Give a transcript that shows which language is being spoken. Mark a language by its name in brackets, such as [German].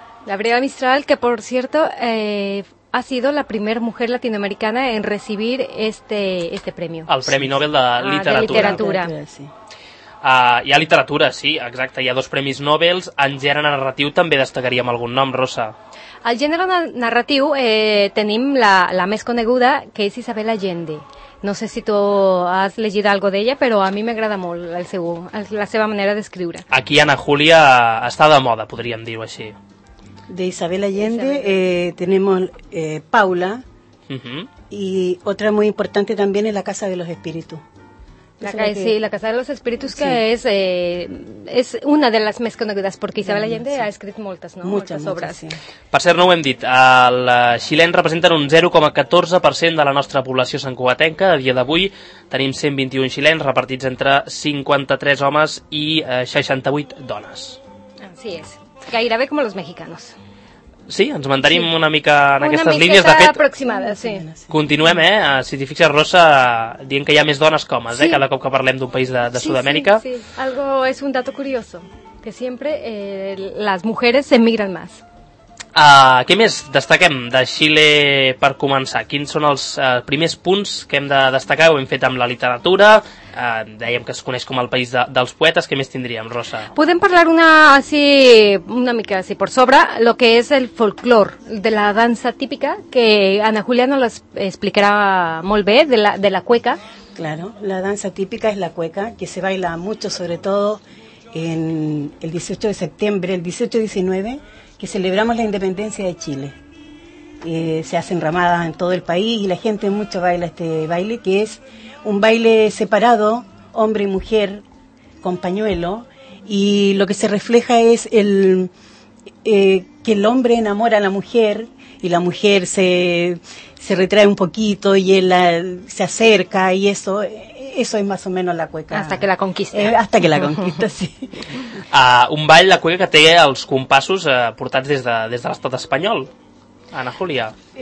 [Spanish] Gabriela Mistral, que por cierto... ha sido la primera mujer latinoamericana en recibir este premio. [Catalan] El Premi Nobel de Literatura. [Spanish] De Literatura, sí. [Catalan] Hi ha literatura, sí, exacte. Hi ha dos premis Nobel. En gènere narratiu també destacaríem algun nom, Rosa. El gènere narratiu tenim la més coneguda, que és Isabel Allende. No sé si tu has llegit alguna cosa d'ella, però a mi m'agrada molt la seva manera d'escriure. Aquí Ana Júlia està de moda, podríem dir-ho així. [Spanish] De Isabel Allende, tenemos Paula, uh-huh. Y otra muy importante también es La Casa de los Espíritus. La Casa de los Espíritus, sí. Que es una de las más conocidas, porque Isabel Allende sí. Ha escrito muchas, ¿no? Muchas obras. Sí. [Catalan] Per cert, no ho hem dit, el xilèn representen un 0,14% de la nostra població santcugatenca. A dia d'avui tenim 121 xilens repartits entre 53 homes i 68 dones. [Spanish] Así es. [Catalan] Gairebé com els mexicanos. Sí, ens mantenim sí. Una mica en una aquestes línies. De fet, aproximada, sí. Continuem, si t'hi fixes, Rosa, dient que hi ha més dones que homes, sí. Cada cop que parlem d'un país de sí, Sud-amèrica. [Spanish] Sí, sí, algo es un dato curioso, que siempre las mujeres emigran más. [Catalan] Què més destaquem de Xile per començar? Quins són els primers punts que hem de destacar? Ho hem fet amb la literatura, dèiem que es coneix com el País dels Poetes. Què més tindríem, Rosa? Podem parlar una mica [Spanish] así por sobre lo que [Catalan] és el folclore de la dansa típica, que Ana Júlia nos l'explicarà molt bé, de la cueca. [Spanish] Claro, la dansa típica es la cueca, que se baila mucho, sobre todo en el 18 de septiembre, el 18-19, que celebramos la independencia de Chile. Se hacen ramadas en todo el país y la gente mucho baila este baile, que es un baile separado, hombre y mujer, con pañuelo, y lo que se refleja es que el hombre enamora a la mujer y la mujer se retrae un poquito y él se acerca y eso es más o menos la cueca. Hasta que la conquista. Hasta que la conquista, sí. [Catalan] Un ball de cueca que té els compassos portats des de l'estat espanyol, Ana Júlia.